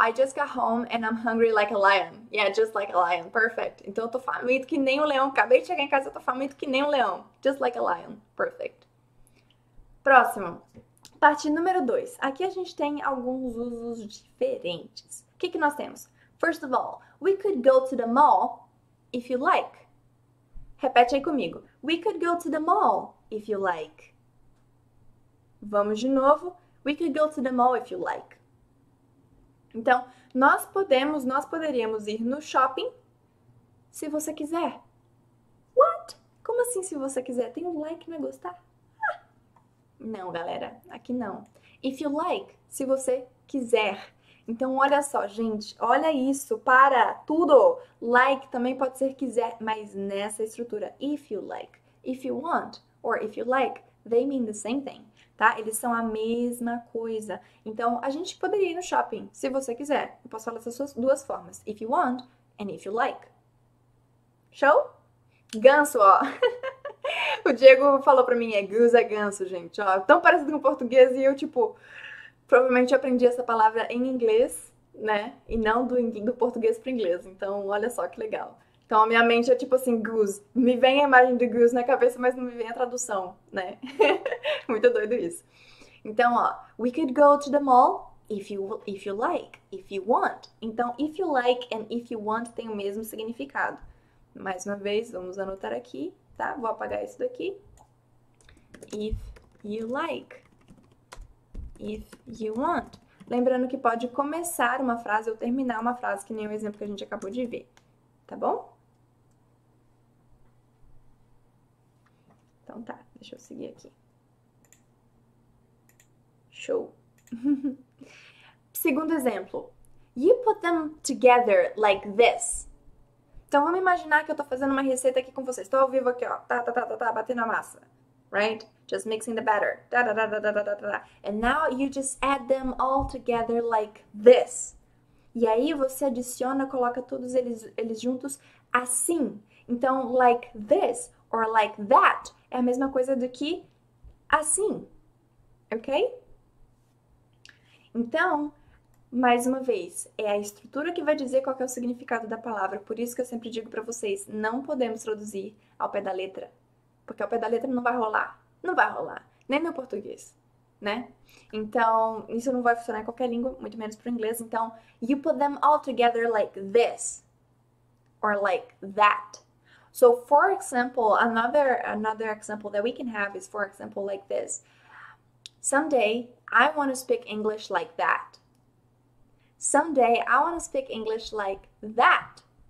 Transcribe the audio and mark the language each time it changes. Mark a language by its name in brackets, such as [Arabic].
[English] I just got home and I'm hungry like a lion. Yeah, just like a lion. Perfect. [Portuguese] Então eu tô faminto que nem um leão. Acabei de chegar em casa, eu tô faminto que nem um leão. [English] Just like a lion. Perfect. [Portuguese] Próximo. Parte número 2. Aqui a gente tem alguns usos diferentes. O que que nós temos? [English] First of all, we could go to the mall if you like. [Portuguese] Repete aí comigo. [English] We could go to the mall if you like. [Portuguese] Vamos de novo. [English] We could go to the mall if you like. [Portuguese] Então, nós poderíamos ir no shopping se você quiser. Como assim se você quiser? Tem um like, não é gostar? Não, galera, aqui não. [English] If you like, [Portuguese] se você quiser. Então, olha só, gente, olha isso, para tudo. Like também pode ser quiser, mas nessa estrutura. [English] If you like, if you want, or if you like, they mean the same thing. [Portuguese] Tá? Eles são a mesma coisa. Então, a gente poderia ir no shopping, se você quiser. Eu posso falar dessas duas formas. [English] If you want and if you like. [Portuguese] Show? Ganso, ó. O Diego falou pra mim, é goose, é ganso, gente. Ó, tão parecido com português e eu, tipo, provavelmente aprendi essa palavra em inglês, né? E não do português pro inglês. Então, olha só que legal. Então, a minha mente é tipo assim, goose. Me vem a imagem de goose na cabeça, mas não me vem a tradução, né? Muito doido isso. Então, ó. [English] We could go to the mall if you like, if you want. [Portuguese] Então, [English] if you like and if you want [Portuguese] tem o mesmo significado. Mais uma vez, vamos anotar aqui, tá? Vou apagar isso daqui. [English] If you like, if you want. [Portuguese] Lembrando que pode começar uma frase ou terminar uma frase, que nem o exemplo que a gente acabou de ver, tá bom? Então tá, deixa eu seguir aqui. Show. Segundo exemplo. [English] You put them together like this. [Portuguese] Então vamos imaginar que eu tô fazendo uma receita aqui com vocês. Estou ao vivo aqui, ó. Tá, batendo a massa. [English] Right? Just mixing the batter. [Portuguese] Da. [English] And now you just add them all together like this. [Portuguese] E aí você adiciona, coloca todos eles juntos assim. Então, [English] like this or like that. [Portuguese] É a mesma coisa do que assim, ok? Então, mais uma vez, é a estrutura que vai dizer qual que é o significado da palavra. Por isso que eu sempre digo para vocês, não podemos traduzir ao pé da letra, porque ao pé da letra não vai rolar, não vai rolar, nem no português, né? Então, isso não vai funcionar em qualquer língua, muito menos para o inglês. [English] Então, you put them all together like this or like that. So, for example, another example that we can have is, for example, like this. Someday I want to speak English like that. Someday I want to speak English like that.